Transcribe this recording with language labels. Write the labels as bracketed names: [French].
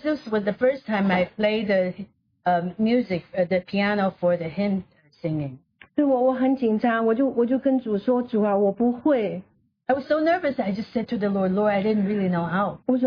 [English] this was the first time I played the music, the piano for the hymn singing. [Chinese] 对我很紧张，我就跟主说，主啊，我不会。 [English] I was so nervous. I just said to the Lord, Lord, I didn't really know how.